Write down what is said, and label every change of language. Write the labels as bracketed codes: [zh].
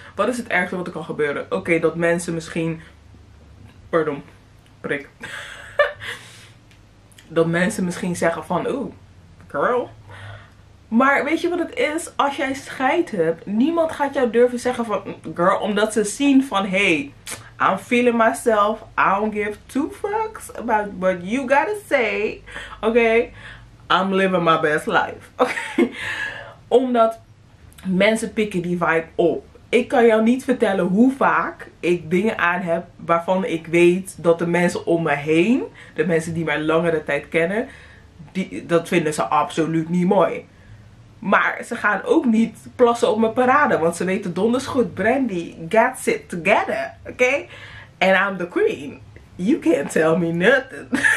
[nl] Wat is het ergste wat er kan gebeuren? Oké, dat mensen misschien, pardon, prik. Dat mensen misschien zeggen van, oeh, girl. Maar weet je wat het is? Als jij scheid hebt, niemand gaat jou durven zeggen van, girl. Omdat ze zien van, hey, [en] I'm feeling myself. I don't give two fucks about what you gotta say. Oké, I'm living my best life. [nl] Oké, omdat mensen pikken die vibe op. Ik kan jou niet vertellen hoe vaak ik dingen aan heb waarvan ik weet dat de mensen om me heen, de mensen die mij langere tijd kennen, dat vinden ze absoluut niet mooi. Maar ze gaan ook niet plassen op mijn parade, want ze weten donders goed, Brandy, [en] gets it together, [nl] oké? [en] Okay? And I'm the queen. You can't tell me nothing.